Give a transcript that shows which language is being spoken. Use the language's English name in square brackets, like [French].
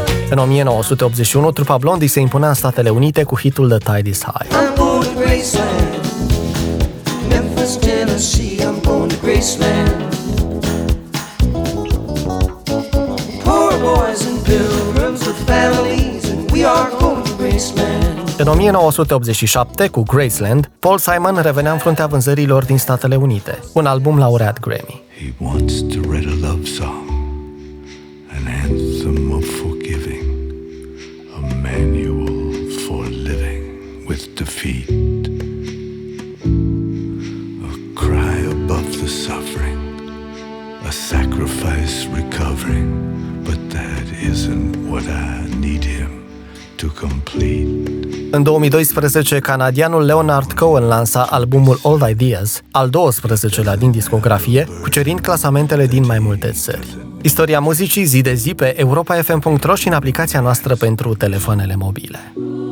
[Romanian] În 1981, trupa Blondie se impunea în Statele Unite cu hitul The Tide Is High. [English] I'm going to Graceland, Memphis, Tennessee, I'm going to Graceland. Poor boys and pilgrims with families, and we are going to Graceland. [Romanian] În 1987, cu Graceland, Paul Simon revenea în fruntea vânzărilor din Statele Unite, un album laureat Grammy. [English] He wants to write a love song, an anthem of forgiving, a manual for living with defeat, a cry above the suffering, a sacrifice recovering, but that isn't what I need him to complete. [Romanian] În 2012, canadianul Leonard Cohen lansa albumul Old Ideas, al 12-lea din discografie, cucerind clasamentele din mai multe țări. Istoria muzicii zi de zi pe europafm.ro și în aplicația noastră pentru telefoanele mobile.